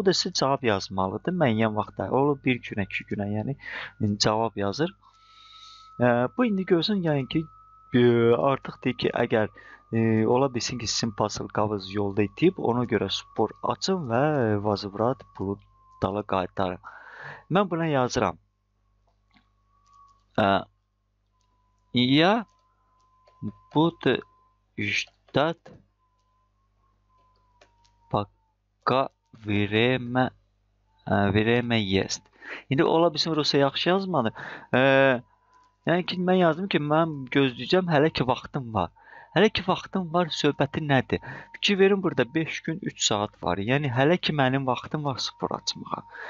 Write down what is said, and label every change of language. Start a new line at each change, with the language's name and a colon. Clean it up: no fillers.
Azerbaijani: O da sizə cavab yazmalıdır müəyyən vaxtda. O bir günə, 2 günə, yəni cavab yazır. Bu indi görsün, yəni ki, artıq deyir ki, əgər ola bilsin ki, sizin pasıl qavız yolda itib, ona görə spor açın və vazıbrat pulu dala qaytarın. Mən buna yazıram.
Russian: Я буду ждать, пока время ест.
Azerbaijani: İndi ola bilsin, Rusya yaxşı yazmadı. Yəni ki, mən yazdım ki, mən gözləyəcəm hələ ki vaxtım var. Hələ ki vaxtım var söhbəti nədir? Fikir verin, burada 5 gün 3 saat var. Yəni hələ ki mənim vaxtım var spor açmağa.